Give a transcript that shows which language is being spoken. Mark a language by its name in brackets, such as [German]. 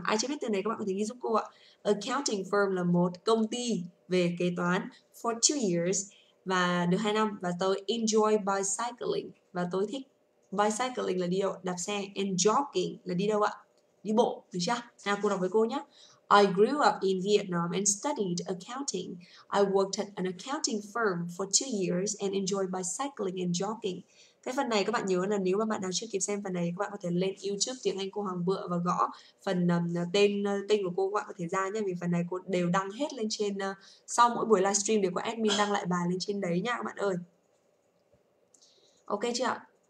[Vietnamese] Ai chưa biết từ này các bạn có thể ghi giúp cô ạ. [English] Accounting firm [Vietnamese] là một công ty về kế toán [English] for 2 years, [Vietnamese] và được 2 năm. Và tôi [English] enjoy bicycling, [Vietnamese] và tôi thích bicycling là đi đâu, đạp xe, [English] and jogging [Vietnamese] là đi đâu ạ, đi bộ, được chưa? Nào cô đọc với cô nhé. [English] I grew up in Vietnam and studied accounting. I worked at an accounting firm for 2 years and enjoyed bicycling and jogging. [Vietnamese] Cái phần này các bạn nhớ là nếu mà bạn nào chưa kịp xem phần này, các bạn có thể lên YouTube tiếng Anh cô Hoàng Bựa và gõ phần tên tên của cô, các bạn có thể ra nhé, vì phần này cô đều đăng hết lên trên, sau mỗi buổi livestream đều có admin đăng lại bài lên trên đấy nha các bạn ơi. Ok chưa ạ?